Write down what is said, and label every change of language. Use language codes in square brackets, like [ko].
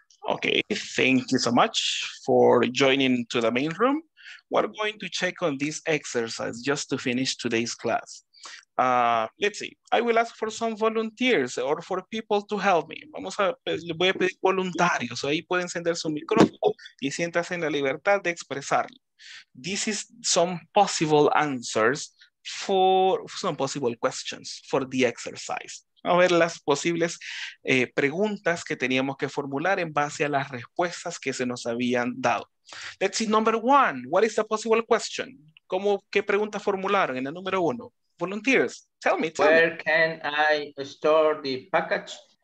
[en] Okay, thank you so much for joining to the main room. We're going to check on this exercise just to finish today's class. Let's see, I will ask for some volunteers or for people to help me. [es] Le voy a pedir voluntarios, ahí pueden encender su micrófono y siéntase en la libertad de expresarlo. [en] This is some possible answers for some possible questions for the exercise. [es] A ver las posibles preguntas que teníamos que formular en base a las respuestas que se nos habían dado. [en] Let's see number one. What is the possible question? [es] ¿Qué pregunta formularon en el número uno? [en] Volunteers, tell me. Where can I store the package?